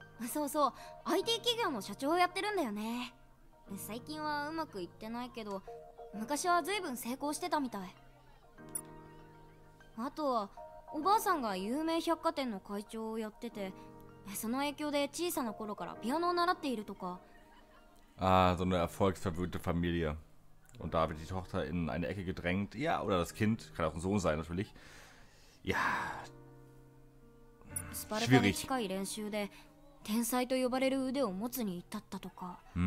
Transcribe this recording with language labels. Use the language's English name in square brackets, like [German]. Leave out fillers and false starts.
[Japanese] そうそう、IT 企業の社長をやってるんだよね。最近はうまくいってないけど、昔はずいぶん成功してたみたい。あとはおばあさんが有名百貨店の会長をやってて、その影響で小さな頃からピアノを習っているとか。 [German] Ah, so eine erfolgsverwöhnte Familie. Und da wird die Tochter in eine Ecke gedrängt. Ja, oder das Kind, kann auch ein Sohn sein natürlich. Ja. Schwierig. [Japanese] 近い練習で天才と呼ばれる腕を持つに至ったとか。